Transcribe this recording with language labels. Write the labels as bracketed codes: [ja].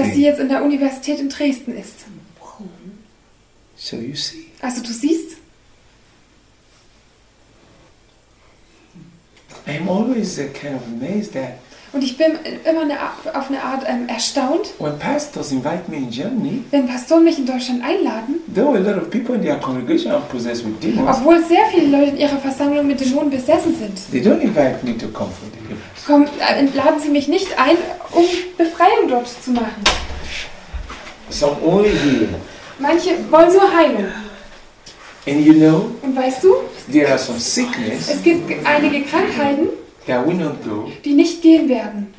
[de] Dass sie jetzt in der Universität in Dresden ist. [en] So you see. [de] Also du siehst, [en] I'm always kind of amazed that. [de] Und ich bin immer auf eine Art erstaunt. [en] When pastors invite me in Germany, [de] wenn Pastoren mich in Deutschland einladen, [en] though a lot of people in their congregation are possessed with demons, [de] obwohl sehr viele Leute in ihrer Versammlung mit Dämonen besessen sind, [en] they don't invite me to come for deliverance. [de] Laden sie mich nicht ein, um Befreiung dort zu machen. [en] Some only healing. [de] Manche wollen nur heilen. [en] And you know, [de] und weißt du, [en] there are some sickness. [de] Es gibt einige Krankheiten, [en] that will not go, [de] die nicht gehen werden,